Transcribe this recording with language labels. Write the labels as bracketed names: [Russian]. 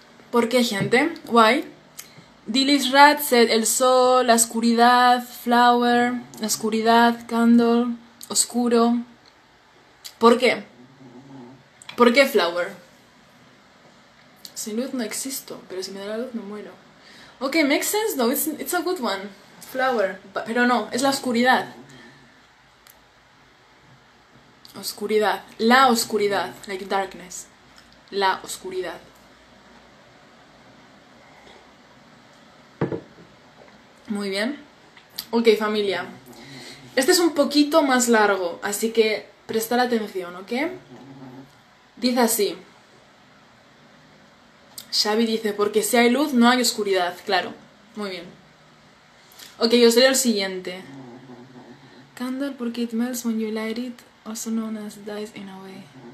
[Spanish] ¿Por qué, gente? [English] Why? [Spanish] Dilys Rath said, el sol, la oscuridad, flower, la oscuridad, candle, oscuro. ¿Por qué? ¿Por qué flower? Sin luz no existo, pero si me da la luz me muero. [English] Ok, makes sense, no, it's a good one. [Spanish] Flower, pero no, es la oscuridad. Oscuridad, la oscuridad, [English] like darkness, [Spanish] la oscuridad. Muy bien. Ok, familia. Este es un poquito más largo, así que prestar atención, ¿ok? Dice así. Xavi dice, porque si hay luz, no hay oscuridad. Claro. Muy bien. Ok, yo sería el siguiente. [English] Candle, [Spanish] porque [English] it melts when you light it, also known as dies in a way.